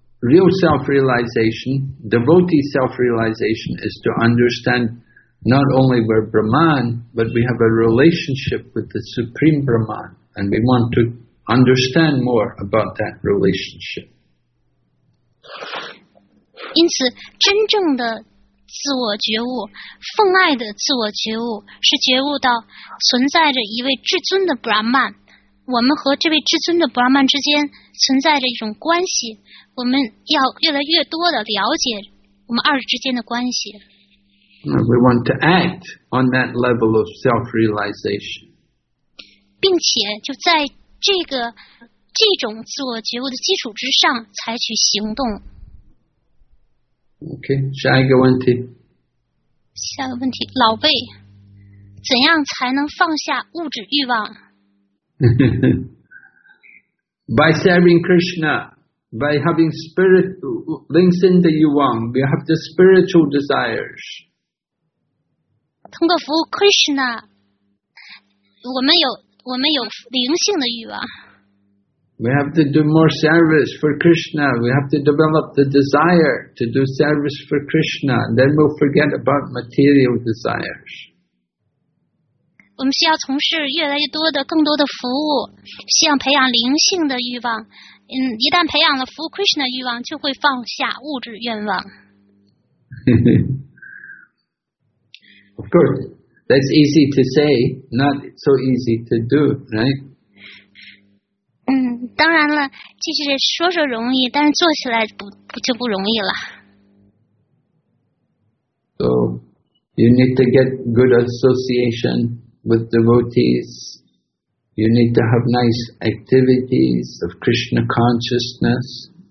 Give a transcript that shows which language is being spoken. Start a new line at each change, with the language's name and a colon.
English: Real self-realization, devotee self-realization is to understand not only we're Brahman, but we have a relationship with the Supreme Brahman, and we want to understand more about that relationship.
Chinese: 因此，真正的自我觉悟，奉爱的自我觉悟，是觉悟到存在着一位至尊的 Brahman. 我们和这位至尊的 Brahman 之间存在着一种关系，我们要越来越多的了解我们二者之间的关系。
English: We want to act on that level of self-realization.
Chinese: 并且就在这种自我觉悟的基础之上采取行动。 OK, 下一个问题。下一个问题，老贝，怎样才能放下物质欲望？
English: By serving Krishna, by having spirit links in the yuang, we have the spiritual desires.
Chinese: 通过服务 Krishna, 我们有灵性的欲望。
English: We have to do more service for Krishna. We have to develop the desire to do service for Krishna. Then we'll forget about material desires.
Chinese: 我们需要从事越来越多的、更多的服务，需要培养灵性的欲望。嗯，一旦培养了服务 Krishna 欲望，就会放下物质愿望。
English: Of course, that's easy to say, not so easy to do, right?
Chinese: 嗯，当然了，就是说说容易，但是做起来不就不容易了。
English: So, you need to get good association with devotees. You need to have nice activities of Krishna consciousness.